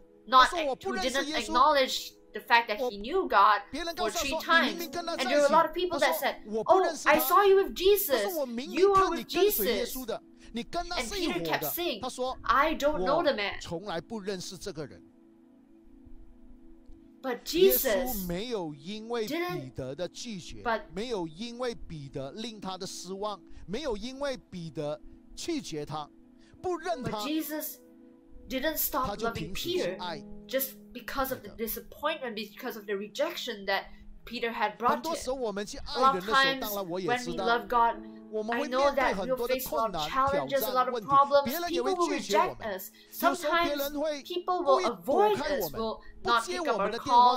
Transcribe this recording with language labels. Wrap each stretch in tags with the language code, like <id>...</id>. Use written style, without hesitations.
<en>Who didn't acknowledge the fact that he knew God for three times. And there were a lot of people that said, "Oh, I saw you with Jesus. You are with Jesus." And Peter kept saying, "I don't know the man."</en> <zh>从来不认识这个人。</zh> <en>But Jesus</en> <zh>耶稣没有因为彼得的拒绝，</zh> <en>but,</en> <zh>没有因为彼得令他的失望，没有因为彼得拒绝他，不认他。</zh> <en>But Jesus didn't stop loving Peter just because of the disappointment, because of the rejection that Peter had brought to him. A lot of times when we love God, I know that we will face a lot of challenges, a lot of problems. People will reject us. Sometimes people will avoid us, will not pick up our call.</en>